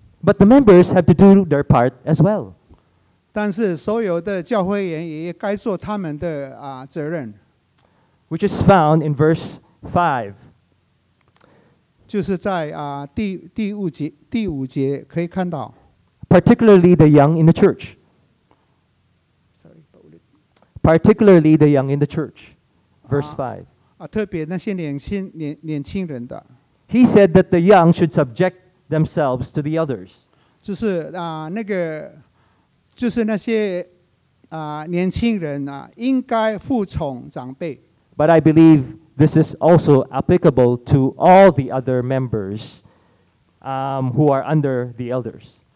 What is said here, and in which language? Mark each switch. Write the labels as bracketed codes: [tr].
[en] But the members have to do their part as well. [zh] 但是所有的教会员也该做他们的责任。 [en] Which is found in verse 5. [zh] 就是在第五节可以看到。 [en] Particularly the young in the church. Sorry, but particularly the young in the church. Verse 5. [zh] 特别那些年轻人的。 [en] He said that the young should subject themselves to the elders. [zh] 就是那个就是那些年轻人应该服从长辈。 [en] But I believe this is also applicable to all the other members, who are under the elders.